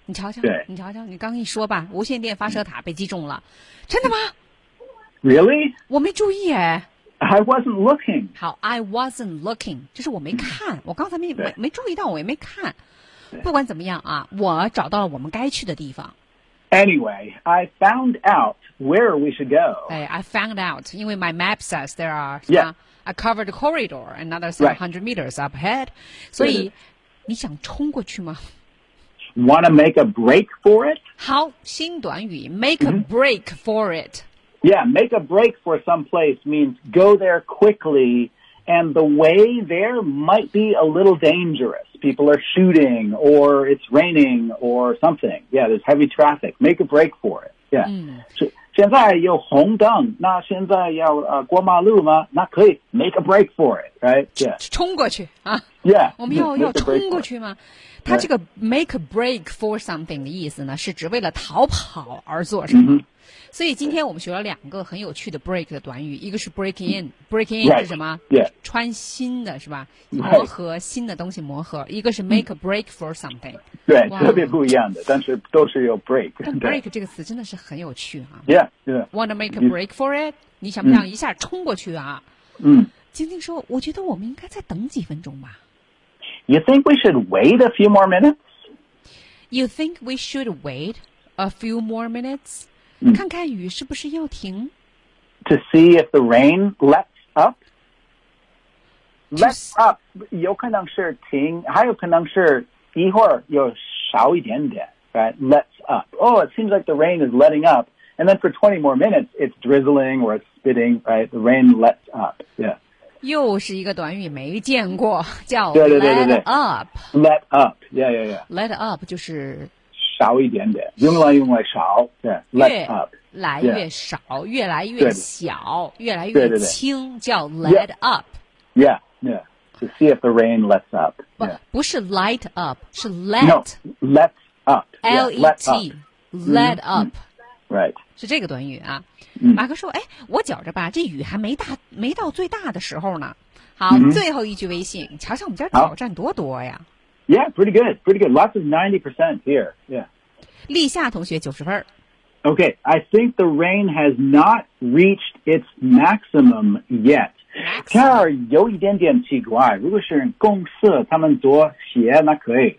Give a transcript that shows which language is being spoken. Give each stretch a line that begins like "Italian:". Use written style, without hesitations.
Chinese: 你瞧瞧，你瞧瞧，你刚一说吧，无线电发射塔被击中了，真的吗
English: ？Really？
Chinese: 我没注意哎。
English: I wasn't looking.
Chinese: 好 ，
English: I wasn't looking，
Chinese: 就是我没看，我刚才没注意到，我也没看。不管怎么样啊，我找到了我们该去的地方。
English: Anyway, I found out where we should go. Hey, I found out,
Chinese: 因为
English: my map says there are yeah a covered corridor another 700 meters up ahead.
Chinese: 所以你想冲过去吗
English: ？Want to make a break for it?
Chinese: 好，新短语
English: make a break for it. Yeah, make a break for some place means go there quickly, and the way there might be a little dangerous. People are shooting, or it's raining, or something. Yeah, there's heavy traffic. Make a break for it. Yeah.
Chinese: 现在有红灯，那现在要过马路吗？那可以
English: make a break for it, right? Yeah.
Chinese: 冲过去啊！
English: Yeah.
Chinese: 我们要冲过去吗？他这个
English: make a break for something
Chinese: 的意思呢，是只为了逃跑而做什么？所以今天我们学了两个很有趣的 break 的短语，一个是
English: break in，
Chinese: break in 是什么？
English: Yeah.
Chinese: 穿新的是吧？磨合新的东西磨合。一个是
English: make a break for something，
Chinese: 对，特别不一样的，但是都是有 break。但 break 这个词真的是很有趣啊。
English: Yeah, yeah. Want to make a break for it？
Chinese: 你想不想一下冲过去啊？嗯。晶晶说：“我觉得我们应该再等几分钟吧。”
English: You think we should wait a few more minutes？ You think we should wait a few more minutes？
Chinese: 看看雨是不是要停
English: ？To see if the rain lets up. Lets up
Chinese: 有可能是停，还有可能是一会儿又少一点点
English: ，right? Lets up. Oh, it seems like the rain is letting up, and then for 20 more minutes, it's drizzling or it's spitting, right? The rain lets up. Yeah.
Chinese: 又是一个短语没见过，叫
English: let up. Let up. Yeah, yeah, yeah.
Chinese: Let up 就是。少一点点，用来少，对 ，
English: let up，
Chinese: 越来越少，
English: yeah.
Chinese: 越来越小，越来越轻，叫
English: let up。 Yeah, yeah. To see if the rain lets up.
Chinese: 不是 light up， 是 let。
English: No, let up. L E T, let up. Right.
Chinese: 是这个短语啊。马克说：“哎，我觉着吧，这雨还没到最大的时候呢。好，最后一句微信，瞧瞧我们家挑战多多呀。”
English: Yeah, pretty good. Pretty good. Lots of 90% here. Yeah.
Chinese: 立夏同学90分。
English: Okay, I think the rain has not reached its maximum yet.
Chinese: 这儿有一点点奇怪。如果是公司，他们多写那可以。